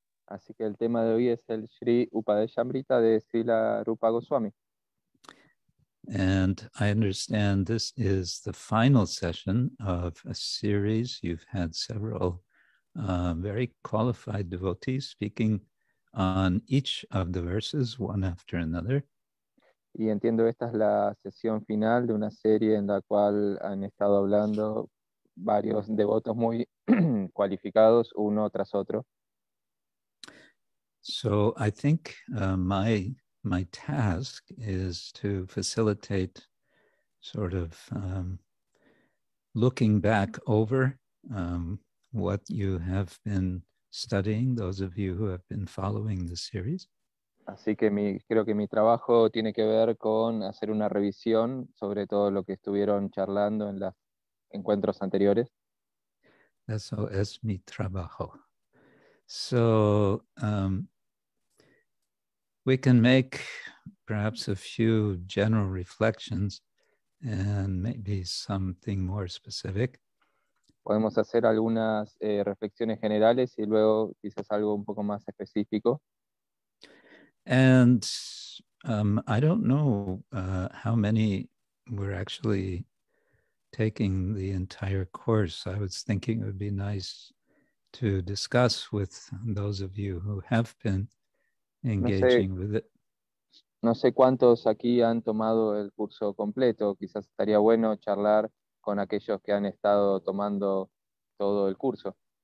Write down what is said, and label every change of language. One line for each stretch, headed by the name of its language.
Spanish: Así que el tema de hoy es el Sri Upadesamrta de Srila Rupa Goswami.
English: And I understand this is the final session of a series. You've had several very qualified devotees speaking on each of the verses, one after another.
Spanish: Y entiendo esta es la sesión final de una serie en la cual han estado hablando varios devotos muy cualificados, uno tras otro.
English: So I think my task is to facilitate sort of looking back over what you have been studying, those of you who have been following the series.
Spanish: Así que creo que mi trabajo tiene que ver con hacer una revisión sobre todo lo que estuvieron charlando en los encuentros anteriores. Eso es mi trabajo.
English: So, we can make perhaps a few general reflections and maybe something more specific.
Spanish: Podemos hacer algunas reflexiones generales y luego quizás algo un poco más específico.
English: And I don't know how many were actually taking the entire course. I was thinking it would be nice to discuss with those of you who have been engaging with it.
Spanish: No sé cuántos aquí han tomado el curso completo. Quizás estaría bueno charlar con aquellos que han estado tomando todo el curso.